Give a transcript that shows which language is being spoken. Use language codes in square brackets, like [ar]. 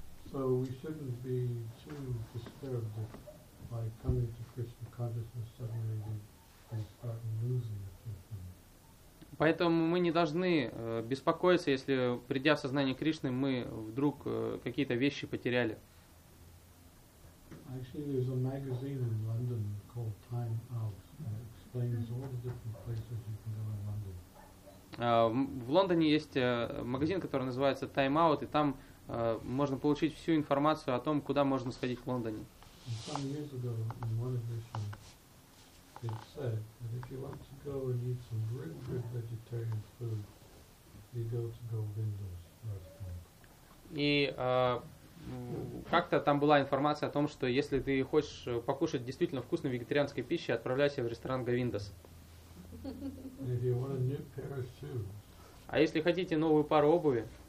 [en] So we shouldn't be too disturbed if by coming to Krishna consciousness suddenly we start losing it. [ru] Поэтому мы не должны беспокоиться, если, придя в сознание Кришны, мы вдруг какие-то вещи потеряли. [en] Actually, there's a magazine in London called Time Out that explains all the different places you can go in London. [ru] В Лондоне есть магазин, который называется Time Out, и там можно получить всю информацию о том, куда можно сходить в Лондоне. [en] Some years ago, in one edition, it said that if you want to go and eat some really good vegetarian food, you go to Govinda's restaurant. [ru] И как-то там была информация о том, что если ты хочешь покушать действительно вкусной вегетарианской пищи, отправляйся в ресторан Govinda's. [en] If you want a new pair of shoes, [ru] а если хотите новую пару обуви,